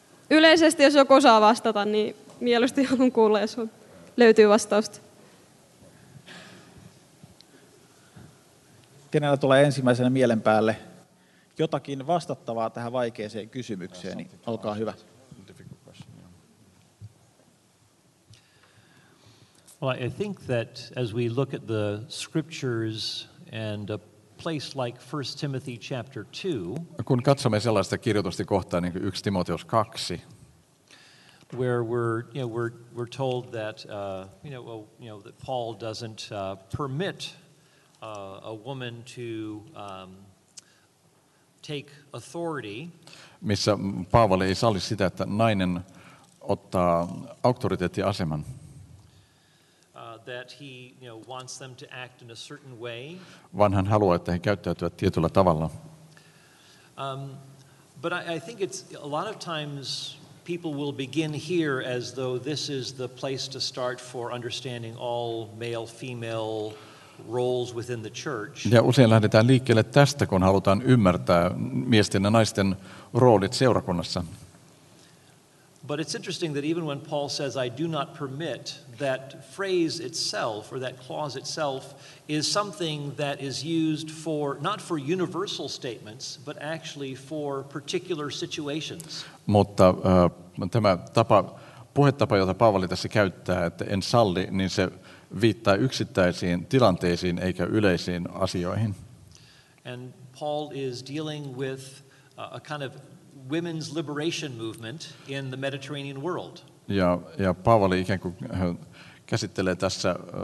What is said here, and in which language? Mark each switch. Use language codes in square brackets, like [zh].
[fi] Yleisesti, jos joku osaa vastata, niin mieluusti haluan kuulla, jos löytyy vastausta. Kenellä tulee ensimmäisenä mielen päälle jotakin vastattavaa tähän vaikeaan kysymykseen, niin olkaa hyvä. [en] Well, I think that as we look at the scriptures and a place like 1 Timothy chapter 2, [fi] kun katsomme sellaista kirjoitusta kohtaa niin kuin 1 Timoteus 2, [en] where we're told that that Paul doesn't permit a woman to take authority, [fi] missä Paavali ei salli sitä, että nainen ottaa auktoriteettiaseman, [en] that he wants them to act in a certain way, [fi] vaan hän haluaa, että he käyttäytyvät tietyllä tavalla. [en] But I think it's a lot of times people will begin here as though this is the place to start for understanding all male female roles within the church. [fi] Ja usein lähdetään liikkeelle tästä, kun halutaan ymmärtää miesten ja naisten roolit seurakunnassa. [en] But it's interesting that even when Paul says I do not permit, that phrase itself or that clause itself is something that is used for not for universal statements but actually for particular situations. [fi] Mutta tämä tapa, puhetapa, jota Paavali tässä käyttää, että en salli, niin se viittaa yksittäisiin tilanteisiin eikä yleisiin asioihin. [en] And Paul is dealing with a kind of women's liberation movement in the Mediterranean world. [fi] Ja Paavali ikään kuin käsittelee tässä